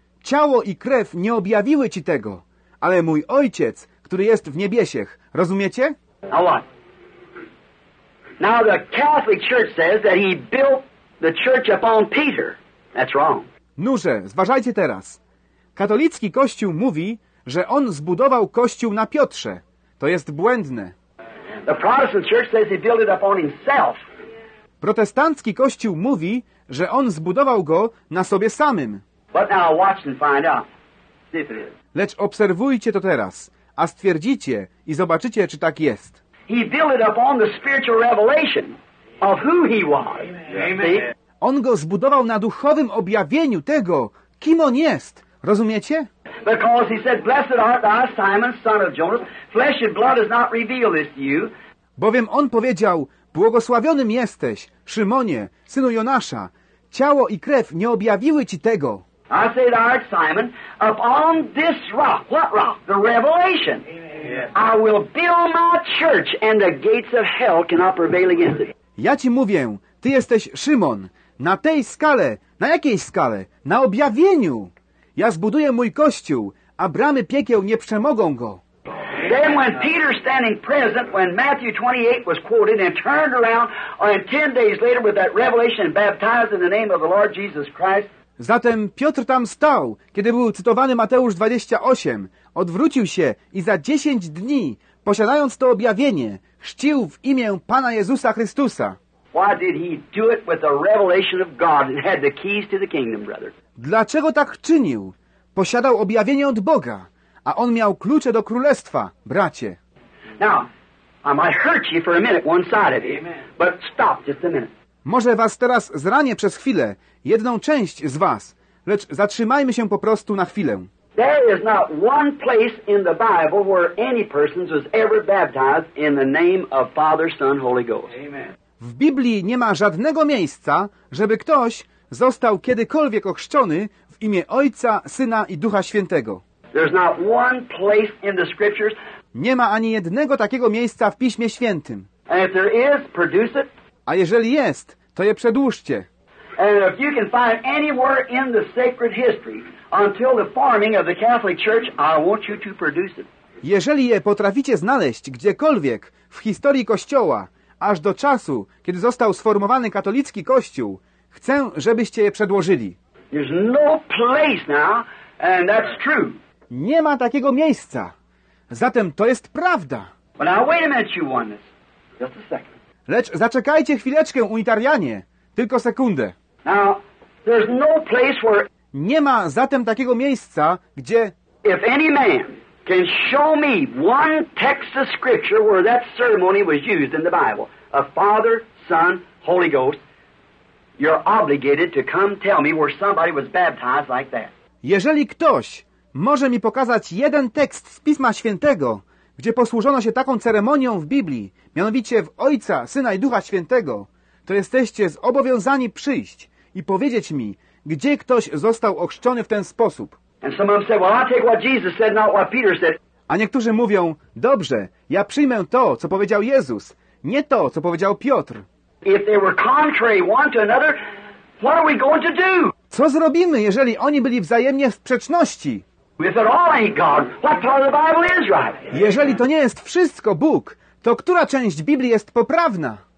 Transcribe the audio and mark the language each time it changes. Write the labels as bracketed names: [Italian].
[Polish] Ciało i krew nie objawiły ci tego, ale mój Ojciec, który jest w niebiesiech. Rozumiecie? [English] Now what? Now the Catholic Church says that he built the church upon Peter. That's wrong. [Polish] Nuże, zważajcie teraz. Katolicki Kościół mówi, że on zbudował Kościół na Piotrze. To jest błędne. [English] The Protestant Church says he built it upon himself. [Polish] Protestancki Kościół mówi, że on zbudował go na sobie samym. [English] But now watch and find out. See if it is. [Polish] Lecz obserwujcie to teraz, a stwierdzicie i zobaczycie, czy tak jest. [English] He built it upon the spiritual revelation of who he was. Amen. [Polish] On go zbudował na duchowym objawieniu tego, kim on jest. Rozumiecie? [English] Because he said, blessed art thou, Simon, son of Jonas. Flesh and blood has not revealed this to you. [Polish] Bowiem on powiedział, błogosławionym jesteś, Szymonie, synu Jonasza. Ciało i krew nie objawiły ci tego. [English] I say thou art Simon, upon this rock. What rock? The revelation. Amen. I will build my church and the gates of hell cannot prevail against it. [Polish] Ja ci mówię, ty jesteś Szymon. Na tej skale, na jakiej skale? Na objawieniu. Ja zbuduję mój kościół, a bramy piekieł nie przemogą go. [English] Then when Peter standing present, when Matthew 28 was quoted and turned around and 10 days later with that revelation baptized in the name of the Lord Jesus Christ. [Polish] Zatem Piotr tam stał, kiedy był cytowany Mateusz 28, odwrócił się i za 10 dni, posiadając to objawienie, chrzcił w imię Pana Jezusa Chrystusa. [English] Why did he do it with the revelation of God and had the keys to the kingdom, brother? [Polish] Dlaczego tak czynił? Posiadał objawienie od Boga, a on miał klucze do królestwa, bracie. [English] Now, I might hurt you for a minute, one side of you, but stop just a minute. [Polish] Może was teraz zranię przez chwilę, jedną część z was, lecz zatrzymajmy się po prostu na chwilę. [English] There is not one place in the Bible where any person was ever baptized in the name of Father, Son, Holy Ghost. Amen. [Polish] W Biblii nie ma żadnego miejsca, żeby ktoś został kiedykolwiek ochrzczony w imię Ojca, Syna i Ducha Świętego. [English] There's not one place in the scriptures. [Polish] Nie ma ani jednego takiego miejsca w Piśmie Świętym. [English] And if there is, produce it. [Polish] A jeżeli jest, to je przedłużcie. [English] And if you can find anywhere in the sacred history until the forming of the Catholic Church, I want you to produce it. [Polish] Jeżeli je potraficie znaleźć gdziekolwiek w historii Kościoła, aż do czasu, kiedy został sformowany katolicki kościół, chcę, żebyście je przedłożyli. [English] There's no place now, and that's true. [Polish] Nie ma takiego miejsca. Zatem to jest prawda. [English] But now, wait a minute, you want this. Just a second. [Polish] Lecz zaczekajcie chwileczkę, unitarianie. Tylko sekundę. [English] Now, there's no place where... [Polish] Nie ma zatem takiego miejsca, gdzie... [English] If any man... Can show me one text of scripture where that ceremony was used in the Bible. A Father, Son, Holy Ghost. You're obligated to come tell me where somebody was baptized like that. [Polish] Jeżeli ktoś może mi pokazać jeden tekst z Pisma Świętego, gdzie posłużono się taką ceremonią w Biblii, mianowicie w Ojca, Syna i Ducha Świętego, to jesteście zobowiązani przyjść i powiedzieć mi, gdzie ktoś został ochrzczony w ten sposób. [English] And some of them say, well, I'll take what Jesus said, not what Peter said. [Polish] A niektórzy mówią, dobrze, ja przyjmę to, co powiedział Jezus, nie to, co powiedział Piotr. [English] If they were contrary one to another, what are we going to do? [Polish] Co zrobimy, jeżeli oni byli wzajemnie w sprzeczności? [English] If it all ain't God, what part of the Bible is right? [Polish] Jeżeli to nie jest wszystko Bóg, to która część Biblii jest poprawna?